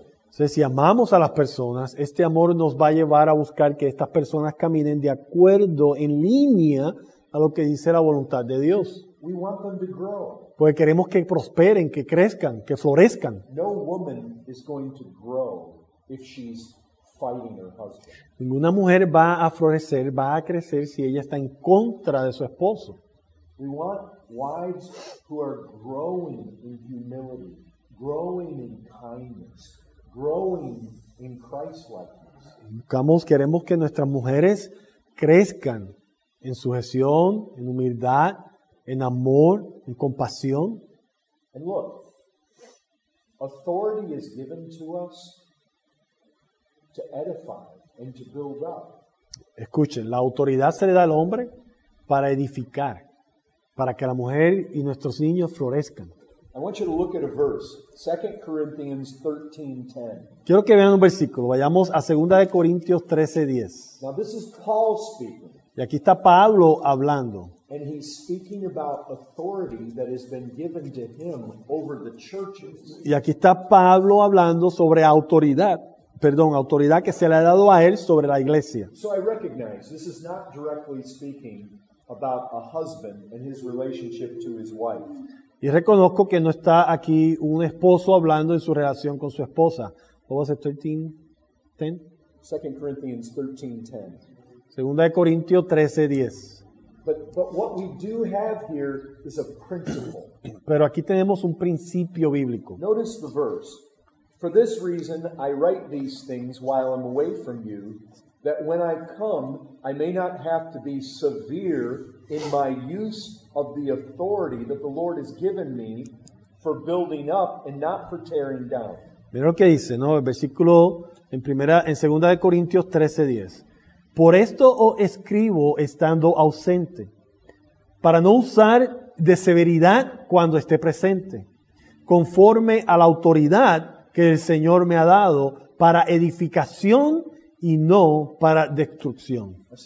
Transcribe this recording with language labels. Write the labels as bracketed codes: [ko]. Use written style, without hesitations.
[es] Si amamos a las personas, este amor nos va a llevar a buscar que estas personas caminen de acuerdo, en línea a lo que dice la voluntad de Dios. [en] We want them to grow. [es] Porque queremos que prosperen, que crezcan, que florezcan. [en] No woman is going to grow if she's fighting her husband. [es] Ninguna mujer va a florecer, va a crecer si ella está en contra de su esposo. [en] We want wives who are growing in humility, growing in kindness, growing in Christ-likeness. [es] Queremos que nuestras mujeres crezcan en sujeción, en humildad, en amor, en compasión. [en] And look, authority is given to us to edify and to build up. [es] Escuchen, la autoridad se le da al hombre para edificar, para que la mujer y nuestros niños florezcan. [en] I want you to look at a verse, 2 Corinthians 13:10. [es] Quiero que vean un versículo. Vayamos a 2 Corintios 13:10. [en] Now this is Paul speaking. [es] Y aquí está Pablo hablando. [en] And he's speaking about authority that has been given to him over the churches. [es] Y aquí está Pablo hablando sobre autoridad. Perdón, autoridad que se le ha dado a él sobre la iglesia. [en] So I recognize this is not directly speaking about a husband and his relationship to his wife. [es] Y reconozco que no está aquí un esposo hablando en su relación con su esposa. ¿Cómo va a ser 13:10? [en] 2 Corinthians 13:10. [es] 2 Corintios 13:10. [en] But what we do have here is a principle. [es] Pero aquí tenemos un principio bíblico. [en] Notice the verse. For this reason I write these things while I'm away from you, that when I come, I may not have to be severe in my use of the authority that the Lord has given me for building up and not for tearing down. [es] Mira lo que dice, ¿no? El versículo en 2 Corintios 13:10. Por esto os escribo estando ausente, para no usar de severidad cuando esté presente, conforme a la autoridad que el Señor me ha dado para edificación y no para destrucción.